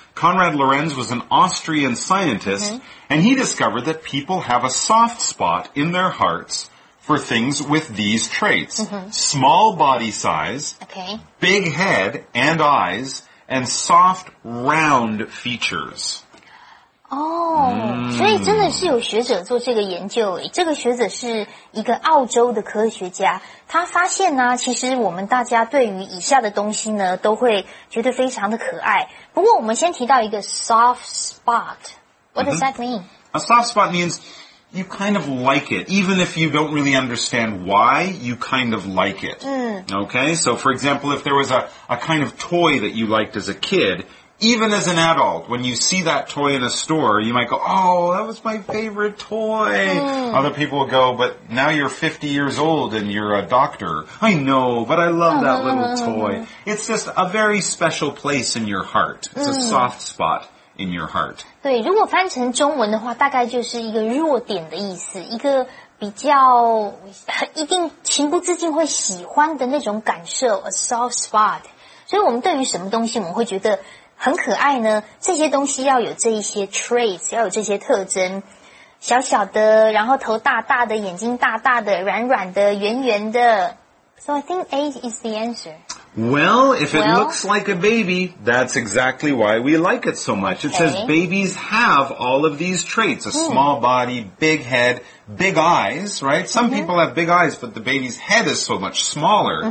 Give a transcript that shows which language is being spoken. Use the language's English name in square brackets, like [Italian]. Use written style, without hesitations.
[English] Konrad Lorenz was an Austrian scientist, and he discovered that people have a soft spot in their hearts for things with these traits. Small body size, big head and eyes, and soft, round features. [Chinese] 哦、所以真的是有学者做这个研究，这个学者是一个澳洲的科学家，他发现呢、其实我们大家对于以下的东西呢都会觉得非常的可爱。不过我们先提到一个 soft spot, [English] what does that mean? A soft spot means you kind of like it, even if you don't really understand why, you kind of like it. Okay, so for example, if there was a kind of toy that you liked as a kid,Even as an adult, when you see that toy in a store, you might go, oh, that was my favorite toy. Other people will go, but now you're 50 years old and you're a doctor. I know, but I love that little toy. It's just a very special place in your heart. It's a soft spot in your heart. [Chinese] 对，如果翻成中文的话，大概就是一个弱点的意思，一个比较一定情不自禁会喜欢的那种感受 ,a soft spot. 所以我们对于什么东西我们会觉得很可爱呢，这些东西要有这一些 traits, 要有这些特征，小小的，然后头大大的，眼睛大大的，软软的，圆圆的。 [English] So I think A is the answer. Well, if it looks like a baby, that's exactly why we like it so much. It says babies have all of these traits, a small body, big head, big eyes, right? Some people have big eyes, but the baby's head is so much smaller.